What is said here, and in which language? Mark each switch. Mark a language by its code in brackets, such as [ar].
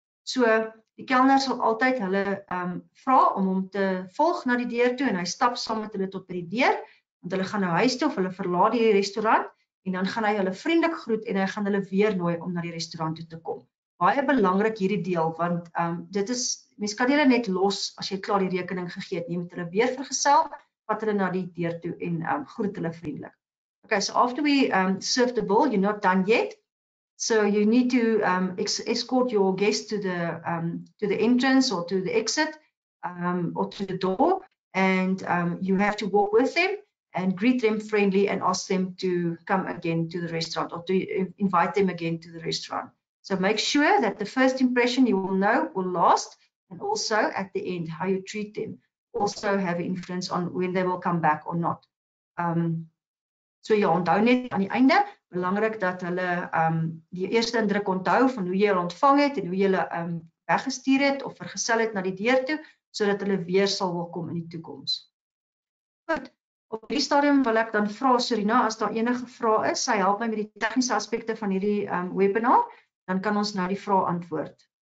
[af] So, die kelner sal altyd hulle vra om hom te volg na die deur toe, en hy stap saam met hulle tot by die deur, want hulle gaan na huis toe of hulle verlaat die restaurant, En dan gaan hy hulle vriendelik groet en hy gaan hulle weer nooi om naar die restaurant toe te kom. Baie belangrik hierdie deel, want dit is, mens kan hulle net los as jy klaar die rekening gegee het, jy moet hulle weer vergesel, vat hulle na die deur toe en groet hulle vriendelik. [en] Okay, so after we serve the bill, you're not done yet. So you need to escort your guest to the entrance or to the exit or to the door, and you have to walk with them and greet them friendly and ask them to come again to the restaurant or to invite them again to the restaurant. So make sure that the first impression you will know will last, and also at the end how you treat them also have an influence on when they will come back or not. [af] So jy onthou net aan die einde, belangrik dat hulle die eerste indruk onthou van hoe jy hulle ontvang het en hoe jy hulle weggestuur het of vergesel het na die deur toe, sodat hulle weer sal welkom in die toekoms. Goed, op die stadium wil ek dan vra Serena as daar enige vrae is, sy help my met die tegniese aspekte van hierdie webinar, dan kan ons nou die vrae antwoord.